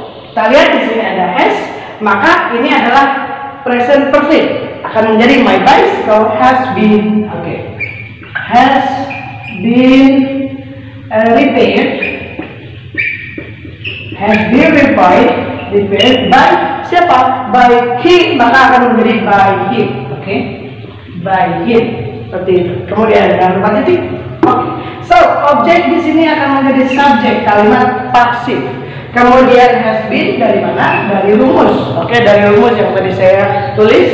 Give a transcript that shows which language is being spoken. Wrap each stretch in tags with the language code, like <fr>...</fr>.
<id>Kita lihat di sini ada has. Maka ini adalah present perfect. Akan menjadi</id> <en>my bicycle has been.</en> <id>Oke.</id> <en>Has been repaired, has been repaired by siapa? By him,</en> <id>maka akan menjadi</id> <en>by him, oke? Okay? By him,</en> <id>seperti itu. Kemudian ada beberapa titik. Okay. So, objek di sini akan menjadi subjek kalimat pasif. Kemudian has been dari mana? Dari rumus, oke? Okay? Dari rumus yang tadi saya tulis.</id>